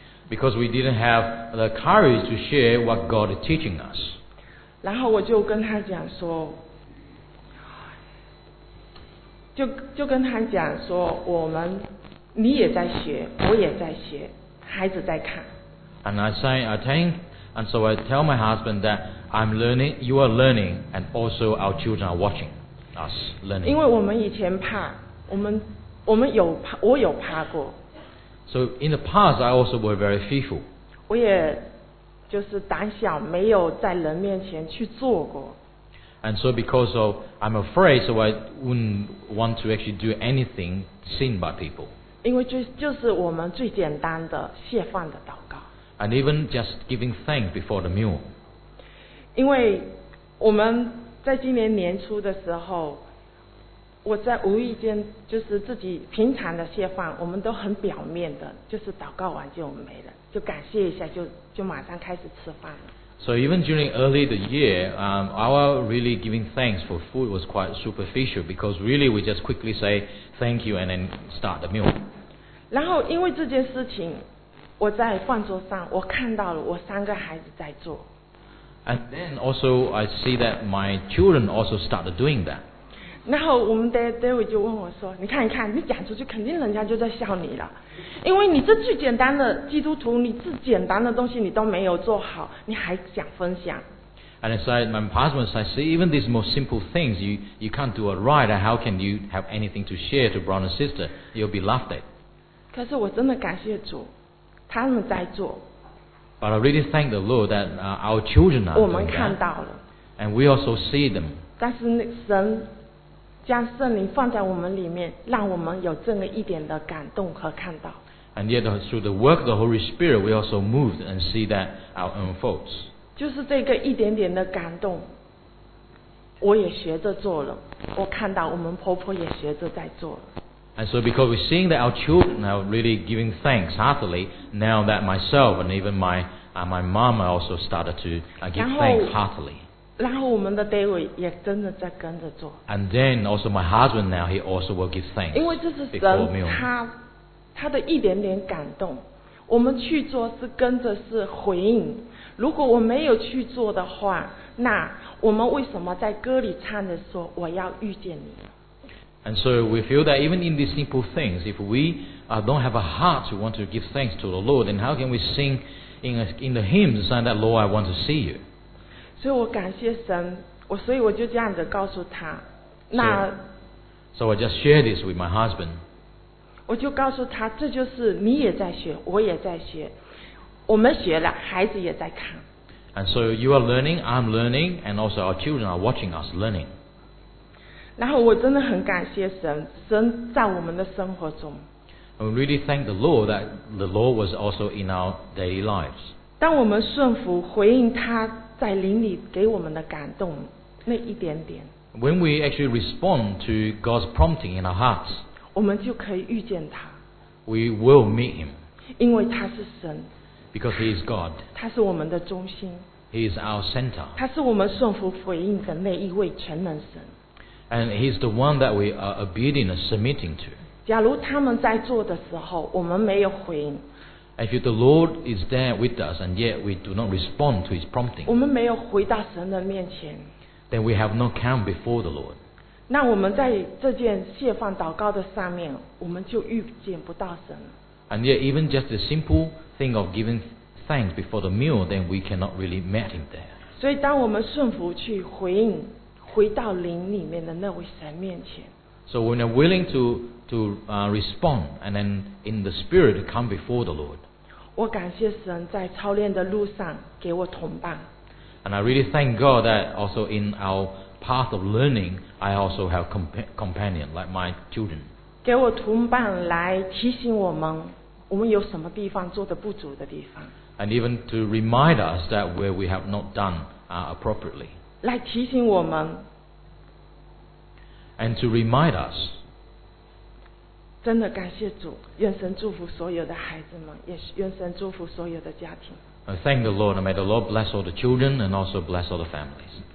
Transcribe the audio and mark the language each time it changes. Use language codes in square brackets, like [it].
[en] Because we didn't have the courage to share what God is teaching us. [zh] 然后我就跟他讲说，就跟他讲说，我们，你也在学，我也在学。孩子在看。 [en] And I say, I think, and so I tell my husband that I'm learning, you are learning, and also our children are watching us learning. [zh] 因为我们以前怕，我们有怕，我有怕过。 [en] So in the past, I also were very fearful. [zh] 我也就是胆小，没有在人面前去做过。 [en] And so because of I'm afraid, so I wouldn't want to actually do anything seen by people. [zh] 因为就是我们最简单的谢饭的祷告。 [en] And even just giving thanks before the meal. [zh] 因为我们在今年年初的时候，我在无意间就是自己平常的谢饭，我们都很表面的，就是祷告完就没了，就感谢一下，就马上开始吃饭了。 [en] So even during early the year, our really giving thanks for food was quite superficial because really we just quickly say thank you and then start the meal. [zh] 然后因为这件事情，我在饭桌上我看到了我三个孩子在做。 [en] And then also I see that my children also started doing that. [zh] 然后我们 David 就问我说，你看一看，你讲出去肯定人家就在笑你了。因为你这最简单的基督徒，你最简单的东西你都没有做好，你还想分享。 [en] And it's like my husband said, see, even these most simple things, you can't do it right, and how can you have anything to share to brother and sister? You'll be laughed at. [zh] 可是我真的感谢主，他们在做。 [en] But I really thank the Lord that our children are. [zh] 我们看到了。 [en] And we also see them. [zh] 但是神将圣灵放在我们里面，让我们有这么一点的感动和看到。 [en] And yet through the work of the Holy Spirit, we also moved and see that our own faults. [zh] 就是这个一点点的感动，我也学着做了。我看到我们婆婆也学着在做了。 [en] And so because we're seeing that our children are really giving thanks heartily, now that myself and even my mom also started to give thanks heartily. [zh] 然后我们的 David 也真的在跟着做。 [en] And then also my husband now he also will give thanks. [zh] 因为这是神他的一点点感动，我们去做是跟着是回应。如果我没有去做的话，那我们为什么在歌里唱着说我要遇见你？ [en] And so we feel that even in these simple things, if we don't have a heart to want to give thanks to the Lord, then how can we sing in the hymns saying that Lord, I want to see you? [zh] 所以我感谢神，所以我就这样子告诉他。那 [en] So I just share this with my husband. [zh] 我就告诉他，这就是你也在学，我也在学，我们学了，孩子也在看。 [en] And so you are learning, I'm learning, and also our children are watching us learning. [zh] 然后我真的很感谢神，神在我们的生活中。 [en] And we really thank the Lord that the Lord was also in our daily lives. [zh] 当我们顺服回应他。在灵里给我们的感动那一点点。 [en] When we actually respond to God's prompting in our hearts, [zh] 我们就可以遇见他。 [en] We will meet him. [zh] 因为他是神。 [en] Because he is God. [zh] 他是我们的中心。 [en] He is our center. [zh] 他是我们顺服回应的那一位全能神。 [en] And he is the one that we are obedient and submitting to. [zh] 假如他们在做的时候，我们没有回应。 [en] If the Lord is there with us and yet we do not respond to his prompting, [zh] 我们没有回到神的面前。 [en] Then we have not come before the Lord. [zh] 那我们在这件谢放祷告的上面，我们就遇见不到神。 [en] And yet, even just the simple thing of giving thanks before the meal, then we cannot really meet him there. [zh] 所以，当我们顺服去回应，回到灵里面的那位神面前。 [en] So when we're willing to respond, and then in the spirit come before the Lord. [zh] 我感谢神在操练的路上给我同伴。 [en] And I really thank God that also in our path of learning, I also have companion like my children. [zh] 给我同伴来提醒我们，我们有什么地方做得不足的地方。 [en] And even to remind us that where we have not done appropriately. [zh] 来提醒我们。 [en] And to remind us. [zh] 真的感谢主，愿神祝福所有的孩子们，也愿神祝福所有的家庭。 [en] Thank the Lord, and may the Lord bless all the children and also bless all the families.